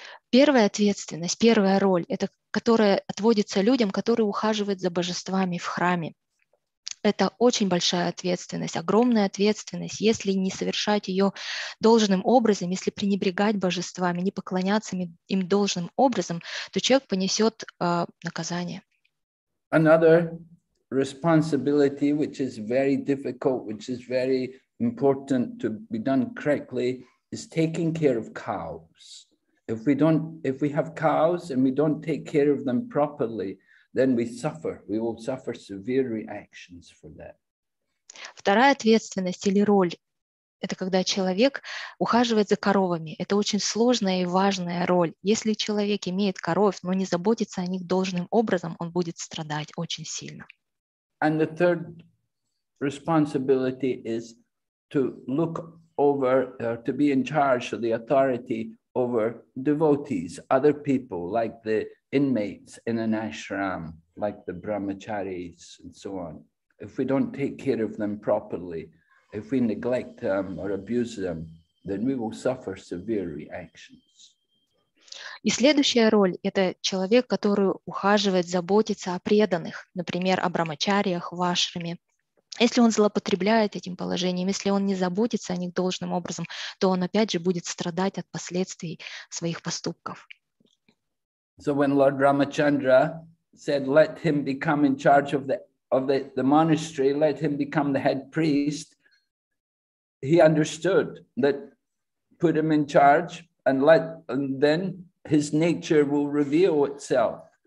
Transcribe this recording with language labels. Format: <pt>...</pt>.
<ru>первая ответственность, первая роль, это которая отводится людям, которые ухаживают за божествами в храме. Это очень большая ответственность, огромная ответственность, если не совершать ее должным образом, если пренебрегать божествами, не поклоняться им должным образом, то человек понесет наказание.</ru> <en>Another responsibility, which is very difficult, which is very important to be done correctly, is taking care of cows. If we have cows and we don't take care of them properly, then we suffer. We will suffer severe reactions for that.</en> <ru>Вторая ответственность или роль – это когда человек ухаживает за коровами. Это очень сложная и важная роль. Если человек имеет коров, но не заботится о них должным образом, он будет страдать очень сильно.</ru> <en>And the third responsibility is to look over, to be in charge of the authority over devotees, other people, like the inmates in an ashram, like the brahmacharis and so on. If we don't take care of them properly, if we neglect them or abuse them, then we will suffer severe reactions.</en> <ru>И следующая роль – это человек, который ухаживает, заботится о преданных, например, о брахмачариях в ашраме. Если он злоупотребляет этим положением, если он не заботится о них должным образом, то он опять же будет страдать от последствий своих поступков.</ru> <en>So when Lord Ramachandra said, let him become in charge of the monastery, let him become the head priest, he understood that put him in charge and then his nature will reveal itself.</en>